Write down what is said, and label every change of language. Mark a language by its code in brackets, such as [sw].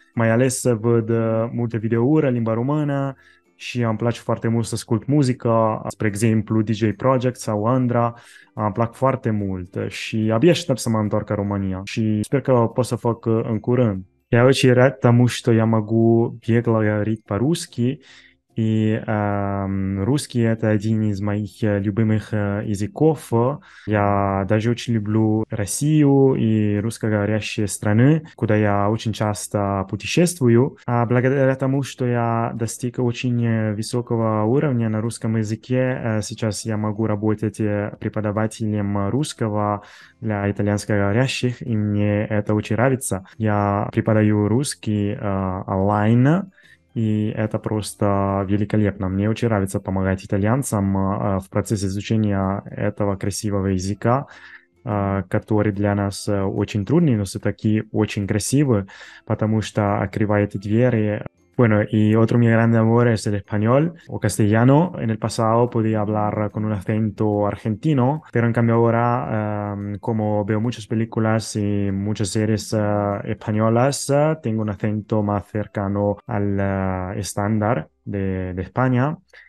[ro] Mai ales să văd multe videouri în limba română și îmi place foarte mult să ascult muzică, spre exemplu DJ Project sau Andra, îmi plac foarte mult și abia aștept să mă întorc în România și sper că pot să fac în curând. [ru] Я очень рад тому, что я могу бегло говорить по-русски, И русский это один из моих любимых языков. Я даже очень люблю Россию и русскоговорящие страны, куда я очень часто путешествую. А благодаря тому, что я достиг очень высокого уровня на русском языке, сейчас я могу работать преподавателем русского для итальянскоговорящих, и мне это очень нравится. Я преподаю русский онлайн. И это просто великолепно. Мне очень нравится помогать итальянцам в процессе изучения этого красивого языка, который для нас очень трудный, но все-таки очень красивый, потому что открывает двери. [es] Bueno, y otro mi gran amor es el español o castellano. En el pasado podía hablar con un acento argentino, pero en cambio ahora, como veo muchas películas y muchas series españolas, tengo un acento más cercano al estándar de España.